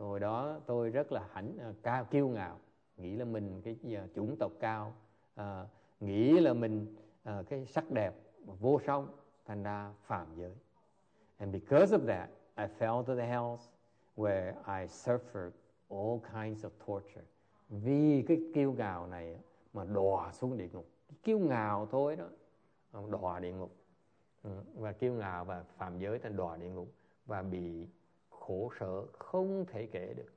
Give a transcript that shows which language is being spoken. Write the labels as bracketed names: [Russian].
[Vietnamese] Hồi đó tôi rất là hãnh cao kiêu ngạo, nghĩ là mình cái chủng tộc cao, nghĩ là mình cái sắc đẹp vô song, thành ra phạm giới. [English] And because of that, I fell to the hells where I suffered all kinds of torture. [Vietnamese] Vì cái kiêu ngạo này mà đọa xuống địa ngục. Kiêu ngạo thôi đó, đọa địa ngục. Và kiêu ngạo và phạm giới thành đọa địa ngục và bị khổ sở không thể kể được.